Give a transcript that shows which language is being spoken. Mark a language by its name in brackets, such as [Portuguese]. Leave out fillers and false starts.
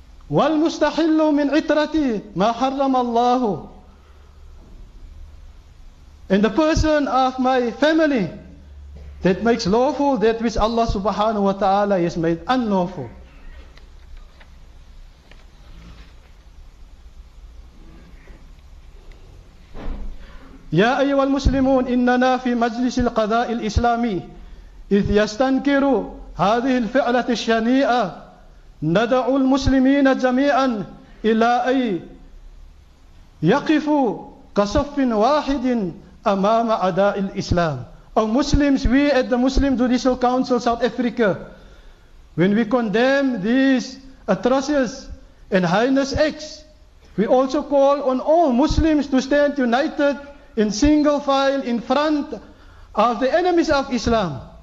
[Arabic] والمستحل من عترتي ما حرم الله. [English] And the person of my family that makes lawful that which Allah subhanahu wa ta'ala has made unlawful. [Arabic] يا أيها المسلمون إننا في مجلس القضاء الإسلامي إذ يستنكر هذه الفعلة الشنيئة ندع المسلمين جميعا إلى أي يقفوا كصف واحد أمام أداء الإسلام. [English] Oh Muslims, we at the Muslim Judicial Council South Africa, when we condemn these atrocious and heinous acts, we also call on all Muslims to stand united in single file in front of the enemies of Islam.